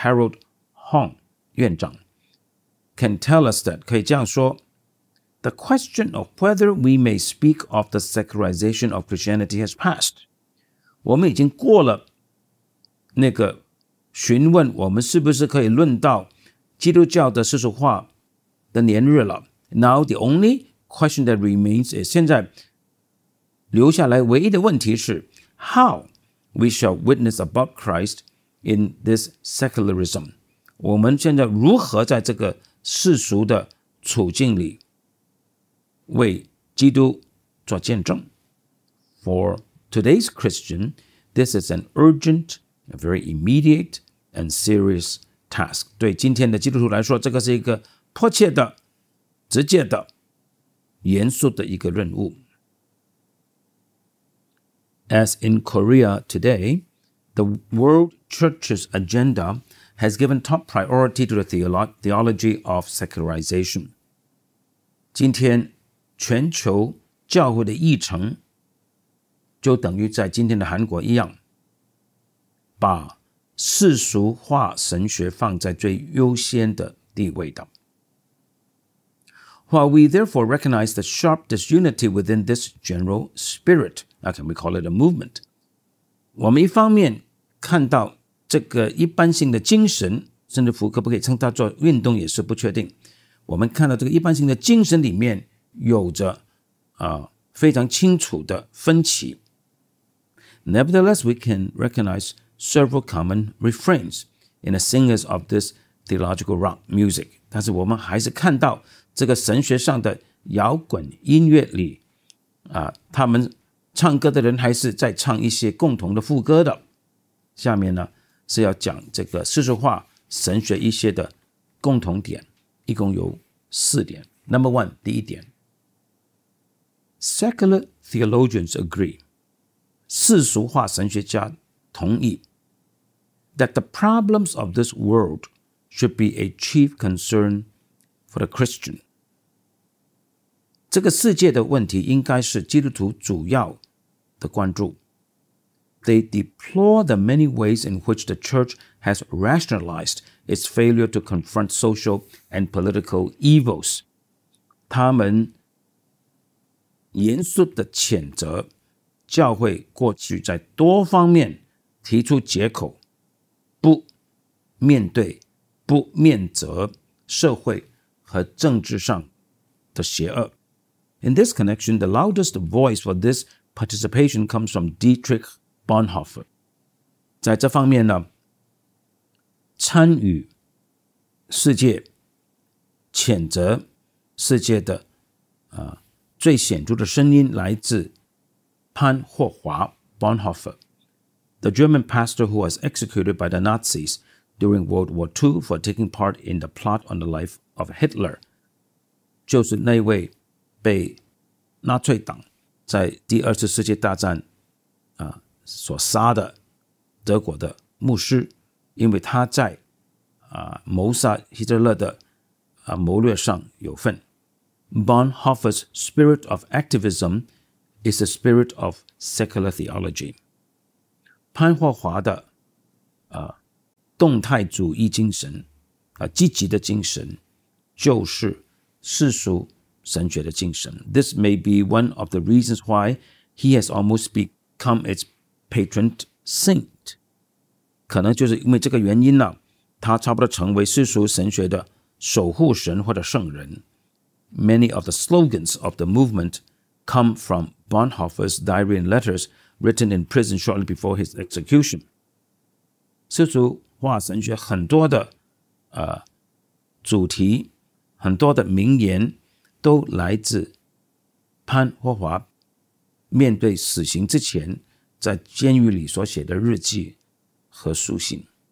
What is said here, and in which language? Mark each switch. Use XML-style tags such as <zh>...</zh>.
<en>Harold Hong 院长 can tell us that,</en> <zh>可以这样说，</zh> <en>The question of whether we may speak of the secularization of Christianity has passed.</en> <zh>我们已经过了那个询问我们是不是可以论到基督教的世俗化的年日了。</zh> <en>Now the only question that remains is,</en> <zh>现在留下来唯一的问题是</zh> <en>how we shall witness about Christ in this secularism.</en> <zh>我们现在如何在这个世俗的处境里为基督做见证。</zh> <en>For today's Christian, this is an urgent, a very immediate and serious task.</en> <zh>对今天的基督徒来说，这个是一个迫切的、直接的、严肃的一个任务。</zh> <en>As in Korea today, the World Church's agenda has given top priority to the theology of secularization.</en> <zh>今天全球教会的议程就等于在今天的韩国一样，把世俗化神学放在最优先的地位的。</zh> <en>While we therefore recognize the sharp disunity within this general spirit, okay, we call it a movement.</en> <zh>我们一方面看到这个一般性的精神，甚至乎可不可以称它做运动也是不确定，我们看到这个一般性的精神里面有着非常清楚的分歧。</zh> <en>Nevertheless, we can recognize several common refrains in the singers of this theological rock music.</en> <zh>但是我们还是看到这个神学上的摇滚音乐里他们唱歌的人还是在唱一些共同的副歌的。下面呢是要讲这个世俗化神学一些的共同点，一共有四点。</zh> <en>Number one,</en> <zh>第一点，</zh> <en>Secular theologians agree.</en> <zh>世俗化神学家同意</zh> <en>that the problems of this world should be a chief concern for the Christian.</en> <zh>这个世界的问题应该是基督徒主要的关注。</zh> <en>They deplore the many ways in which the church has rationalized its failure to confront social and political evils.</en> <zh>他们严肃地谴责教会过去在多方面提出借口，不面对、不面责社会和政治上的邪恶。</zh> <en>In this connection, the loudest voice for this participation comes from Dietrich Bonhoeffer.</en> <zh>在这方面呢，参与世界、谴责世界的最显著的声音来自潘霍华</zh> <en>Bonhoeffer, the German pastor who was executed by the Nazis during World War II for taking part in the plot on the life of Hitler.</en> <zh>就是那位被纳粹党在第二次世界大战所杀的德国的牧师，因为他在谋杀希特勒的谋略上有份。</zh> <en>Bonhoeffer's spirit of activism is the spirit of secular theology.</en> <zh>潘霍华的动态主义精神积极的精神就是世俗神学的精神。</zh> <en>This may be one of the reasons why he has almost become its patron saint.</en> <zh>可能就是因为这个原因呢，他差不多成为世俗神学的守护神或者圣人。</zh> <en>Many of the slogans of the movement come from Bonhoeffer's diary and letters written in prison shortly before his execution.</en> <zh>世俗化神学很多的主题、很多的名言都来自潘霍华面对死刑之前在监狱里所写的日记和书信。</zh>